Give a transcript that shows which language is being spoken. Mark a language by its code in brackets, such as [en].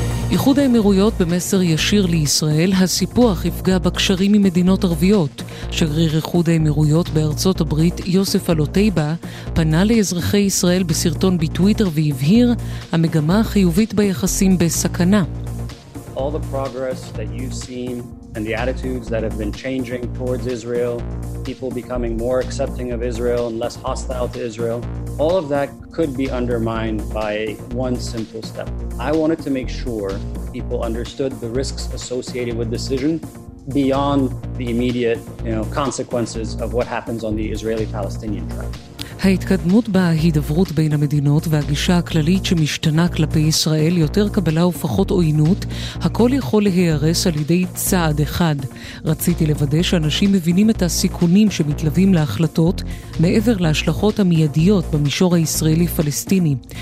[he] איחוד האמירויות במסר ישיר לישראל, הסיפוח יפגע בקשרים עם מדינות ערביות. שגריר איחוד האמירויות בארצות הברית יוסף אלוטייבה פנה לאזרחי ישראל בסרטון בטוויטר והבהיר, המגמה החיובית ביחסים בסכנה. [en] All the progress that you've seen and the attitudes that have been changing towards Israel, people becoming more accepting of Israel and less hostile to Israel, all of that could be undermined by one simple step. I wanted to make sure people understood the risks associated with decision beyond the immediate, you know, consequences of what happens on the Israeli-Palestinian track. [he] ההתקדמות בהידברות בין המדינות והגישה הכללית שמשתנה כלפי ישראל, יותר קבלה ופחות עוינות, הכל יכול להיהרס על ידי צעד אחד. רציתי לוודא שאנשים מבינים את הסיכונים שמתלווים להחלטות מעבר להשלכות המיידיות במישור הישראלי-פלסטיני.